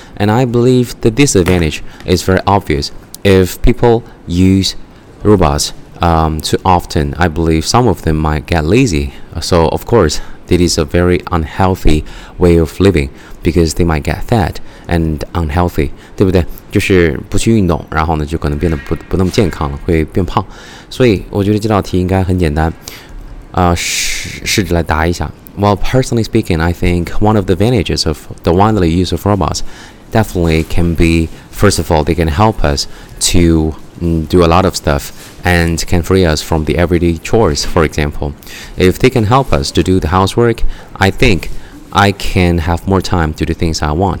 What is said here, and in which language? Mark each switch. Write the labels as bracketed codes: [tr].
[en] And I believe the disadvantage is very obvious. If people use robots too often, I believe some of them might get lazy. So of course it is a very unhealthy way of living because they might get fatand unhealthy, [zh] 对不对？就是不去运动，然后呢就可能变得不那么健康了，会变胖。所以我觉得这道题应该很简单，试着来答一下。 [en] Well, personally speaking, I think one of the advantages of the widely used of robots definitely can be, first of all, they can help us to do a lot of stuff and can free us from the everyday chores. For example, if they can help us to do the housework, I thinkI can have more time to do things I want.